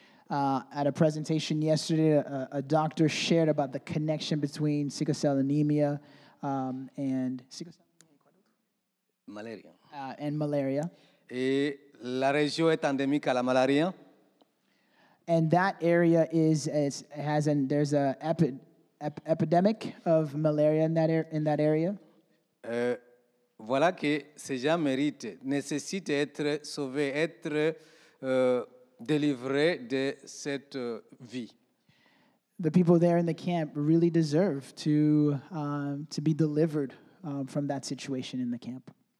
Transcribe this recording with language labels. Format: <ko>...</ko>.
<en>At a presentation yesterday, a doctor shared about the connection between sickle cell anemia and sickle cell malaria. And malaria.</en> <fr>Et la région est endémique à la malaria.</fr> <en>And that area has an epidemic of malaria in that area.</en> <fr>Voilà que ces gens méritent, nécessitent être sauvés, être délivrés de cette vie.</fr> <en>The people there in the camp really deserve to be delivered from that situation in the camp.</en>